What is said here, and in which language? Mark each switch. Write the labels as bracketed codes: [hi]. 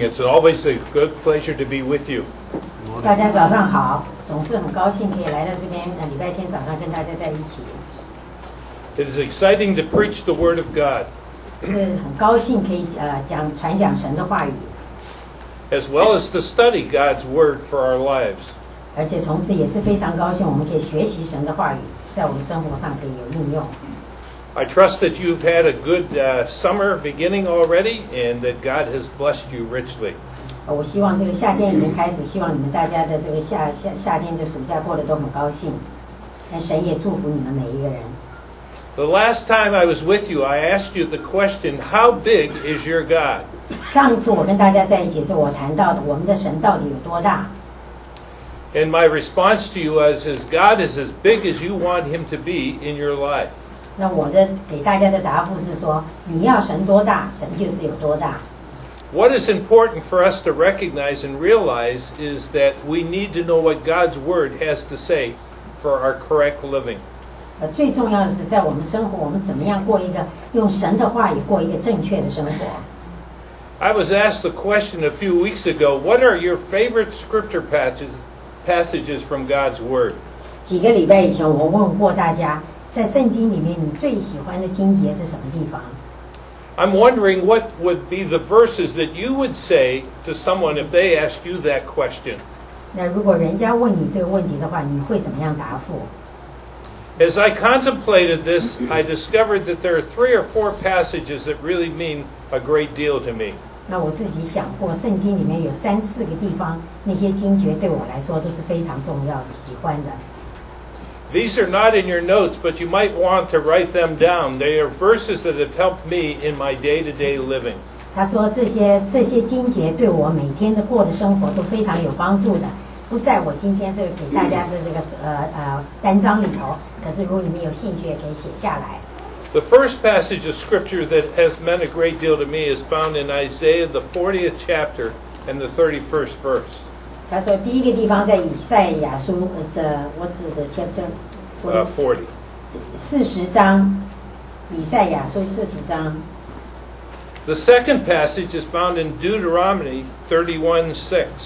[en] It's always a good pleasure to be with you. [zh] 大家早上好，总是很高兴可以来到这边，礼拜天早上跟大家在一起。 [en] It is exciting to preach the word of God. [zh] 是很高兴可以讲传讲神的话语。 [en] As well as to study God's word for our lives. [zh] 而且同时也是非常高兴，我们可以学习神的话语，在我们生活上可以有应用。 [en] I trust that you've had a good summer beginning already and that God has blessed you richly. [zh] 我希望这个夏天已经开始，希望你们大家的这个夏天的暑假过得都很高兴。但神也祝福你们每一个人。 [en] The last time I was with you, I asked you the question, how big is your God? [zh] 上次我跟大家在一起，是我谈到的我们的神到底有多大。 [en] And my response to you was, his God is as big as you want him to be in your life. [zh] 那我的给大家的答复是说，你要神多大，神就是有多大。 [en] What is important for us to recognize and realize is that we need to know what God's word has to say for our correct living. [zh] 最重要的是在我们生活，我们怎么样过一个用神的话语过一个正确的生活。 [en] I was asked the question a few weeks ago. What are your favorite scripture passages from God's word? [zh] 几个礼拜以前，我问过大家。在圣经里面，你最喜欢的经节是什么地方 [en] ？I'm wondering what would be the verses that you would say to someone if they asked you that question. [zh] 那如果人家问你这个问题的话，你会怎么样答复 [en] ？As I contemplated this, I discovered that there are three or four passages that really mean a great deal to me. [zh] 那我自己想过，圣经里面有三四个地方，那些经节对我来说都是非常重要、喜欢的。 [en] These are not in your notes, but you might want to write them down. They are verses that have helped me in my day-to-day living. [zh] 他说这些经节对我每天的过的生活都非常有帮助的，不在我今天这个给大家的这个单章里头。可是如果你们有兴趣，也可以写下来。 The first passage of scripture that has meant a great deal to me is found in Isaiah the 40th chapter and the 31st verse. 他说第一个地方在以赛亚书是我指的签证 40章以赛亚书40章 [en] The second passage is found in Deuteronomy 31:6